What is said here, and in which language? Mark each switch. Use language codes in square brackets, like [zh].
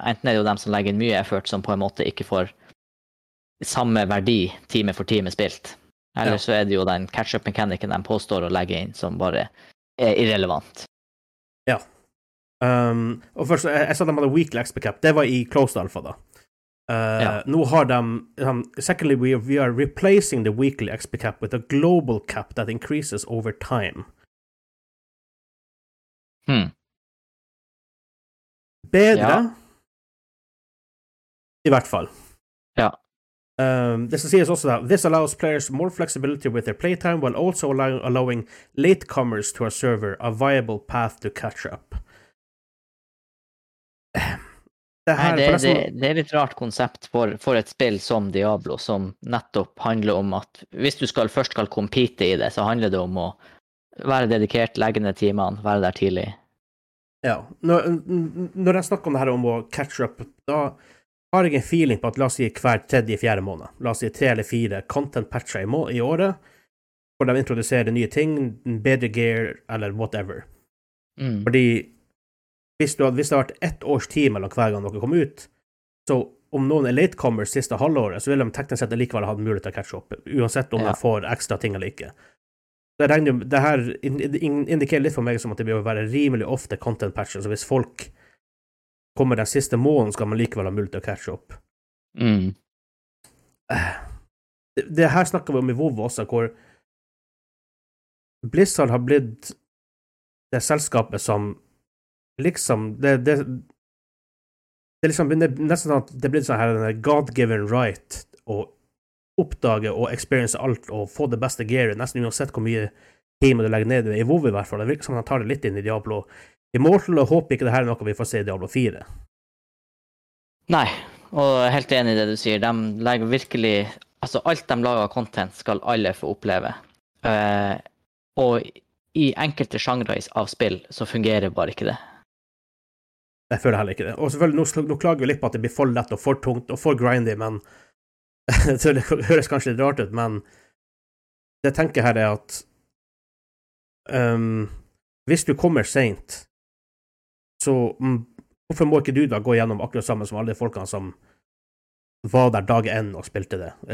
[no] Enten er det jo dem som legger inn mye effort som på en måte ikke får samme verdi time for time spilt. Eller så er det jo den catch-up-mekanikken de påstår å legge inn som bare er irrelevant. Ja. Og først, jeg sa de hadde weekly XP cap. Det var i closed alpha da. Nå har de, [en] secondly, we are replacing the weekly XP cap with a global cap that increases over time. Hmm. [no] Bedre? Ja. I hvert fall. Ja. [en] This is also that this allows players more flexibility with their playtime while also allowing latecomers to a server a viable path to catch up. [sv] Det är ett rart koncept för ett spel som Diablo som nettopp handlar om att [no] hvis du skal först skal [sv] compete i det så handlar det om att vara dedikert, lägga ner timmen, vara där tidigt. Ja, när jag snackar om det här om att catch up då har jag en feeling på att låt oss säga kvart tredje, fjärde månad. Låt oss säga tre eller fyra content patcher i året. Och de introducerar nya ting, bättre gear eller whatever. Mm. [no] För hvis det har varit ett års tid mellom hver gang noen kom ut, så om noen latecomers siste halvåret, så vil de teknisk sett likevel ha mulighet til å catche opp, uansett om de får ekstra ting eller ikke. Det her indikerer litt for meg som at det vil være rimelig ofte content patcher, så hvis folk kommer den siste måneden, skal man likevel ha mulighet til å catche opp. Mm. Det her snakker vi om i WoW også, hvor Blizzard har blitt det selskapet som liksom det liksom [sv] nästan att det blir så här en god given right och uppdage och experience allt och få det bästa gearet nästan oavsett hur mycket team du lägger ner i WoW i varje fall det liksom han tar det lite in i Diablo Immortal och hoppas inte det här är något vi får se i Diablo 4. Nej, och helt enig i det du säger. De lägger verkligen alltså allt de lagar content ska alla få uppleva. Och i enkelte genres av spel så fungerar bara inte det. [no] Jeg føler heller ikke det. Og selvfølgelig, nå klager vi litt på at det blir for lett og for tungt og for grindy, men det høres kanskje litt rart ut, men det jeg tenker her at hvis du kommer sent, så hvorfor må ikke du da gå gjennom akkurat samme som alle de folkene som var der dag 1 og spilte det?